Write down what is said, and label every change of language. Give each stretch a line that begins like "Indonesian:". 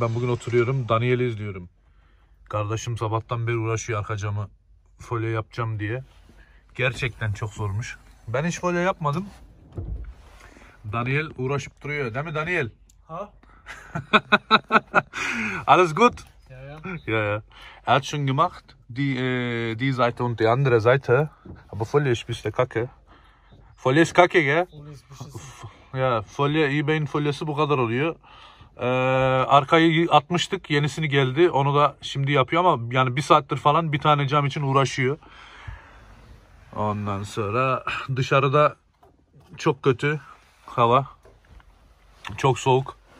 Turkish: Ben bugün oturuyorum, Daniel'i izliyorum. Kardeşim sabahtan beri uğraşıyor arka camı folyo yapacağım diye. Gerçekten çok zormuş. Ben hiç folyo yapmadım. Daniel uğraşıp duruyor, değil mi Daniel? Ha?
German: Alles gut? Ja, ja. Ja, ja. Er hat schon gemacht, die Seite und die andere Seite. Aber folyo ist ein bisschen kacke. Folyo ist kacke, gell?
Turkish: Ja, folyo, eBay'in folyosu bu kadar oluyor. Arkayı atmıştık, yenisini geldi. Onu da şimdi yapıyor ama yani bir saattir falan bir tane cam için uğraşıyor. Ondan sonra dışarıda çok kötü hava. Çok soğuk.